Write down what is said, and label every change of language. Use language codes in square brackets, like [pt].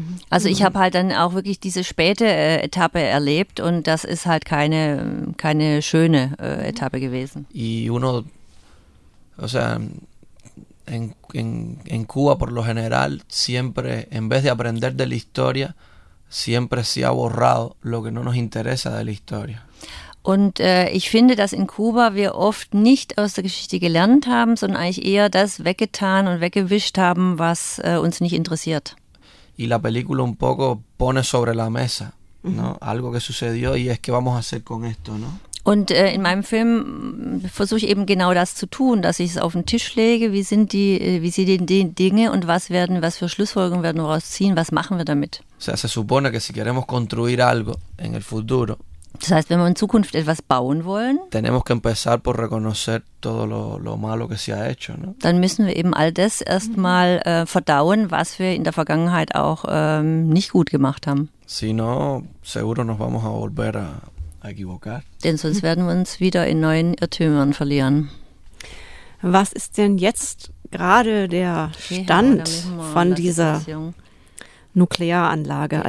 [de] Also ich habe halt dann auch wirklich diese späte Etappe erlebt und das ist halt keine schöne Etappe gewesen. [es] Y uno O sea, en Cuba, por lo general, siempre, en vez de aprender de la historia, siempre se ha borrado lo que no nos interesa de la historia. [de] Und ich finde, dass in Kuba wir oft nicht aus der Geschichte gelernt haben, sondern eigentlich eher das weggetan und weggewischt haben, was uns nicht interessiert. [es] Y la película un poco pone sobre la mesa, ¿no? Algo que sucedió y es que vamos a hacer con esto, ¿no? [de] Und in meinem Film versuche ich eben genau das zu tun, dass ich es auf den Tisch lege, wie sind die, wie sind die Dinge und was werden, was für Schlussfolgerungen werden wir daraus ziehen, was machen wir damit? [es] O sea, se supone que si queremos construir algo en el futuro, [de] das heißt, wenn wir in Zukunft etwas bauen wollen, [es] tenemos que empezar por reconocer todo lo malo que se ha hecho, ¿no? [de] Dann müssen wir eben all das erstmal verdauen, was wir in der Vergangenheit auch nicht gut gemacht haben. [es] Si no, seguro nos vamos a volver a equivocar. [de] Denn sonst werden wir uns wieder in neuen Irrtümern verlieren. Was ist denn jetzt gerade der Stand von dieser Nuklearanlage?